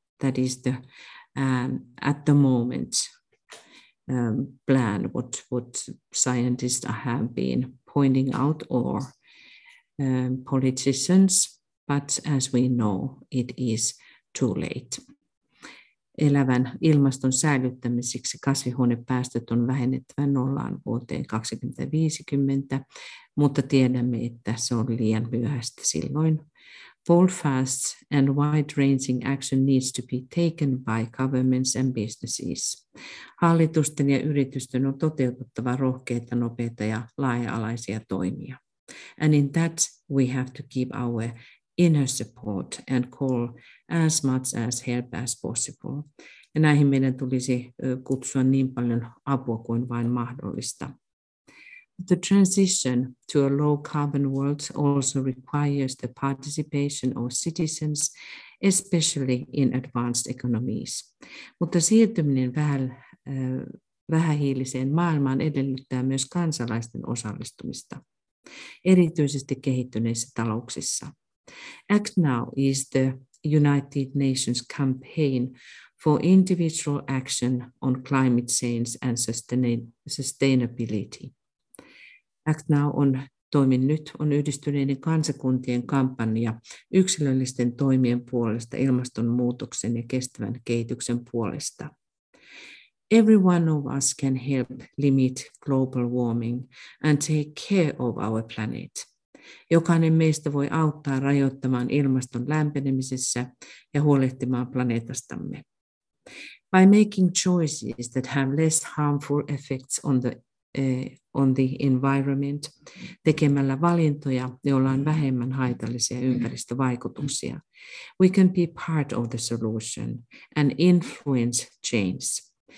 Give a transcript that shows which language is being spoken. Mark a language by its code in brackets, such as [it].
[en] That is the at the moment plan, what scientists have been pointing out, or politicians, but as we know, it is too late. [fi] Elävän ilmaston säilyttämiseksi kasvihuonepäästöt on vähennettävä nollaan vuoteen 2050, mutta tiedämme, että se on liian myöhäistä silloin. [en] Bold, fast and wide-ranging action needs to be taken by governments and businesses. [fi] Hallitusten ja yritysten on toteutettava rohkeita, nopeita ja laaja-alaisia toimia. [en] And in that we have to keep our inner support and call as much as help as possible. [fi] Ja näihin meidän tulisi kutsua niin paljon apua kuin vain mahdollista. [en] The transition to a low carbon world also requires the participation of citizens, especially in advanced economies. [fi] Mutta siirtyminen vähähiiliseen maailmaan edellyttää myös kansalaisten osallistumista, erityisesti kehittyneissä talouksissa. [en] Act Now is the United Nations campaign for individual action on climate change and sustainability. [fi] Act Now on toimin nyt on Yhdistyneiden kansakuntien kampanja yksilöllisten toimien puolesta ilmastonmuutoksen ja kestävän kehityksen puolesta. [en] Every one of us can help limit global warming and take care of our planet. [fi] Jokainen meistä voi auttaa rajoittamaan ilmaston lämpenemisessä ja huolehtimaan planeetastamme. [en] By making choices that have less harmful effects on the environment, [fi] tekemällä valintoja, joilla on vähemmän haitallisia ympäristövaikutuksia, [en] we can be part of the solution and influence change.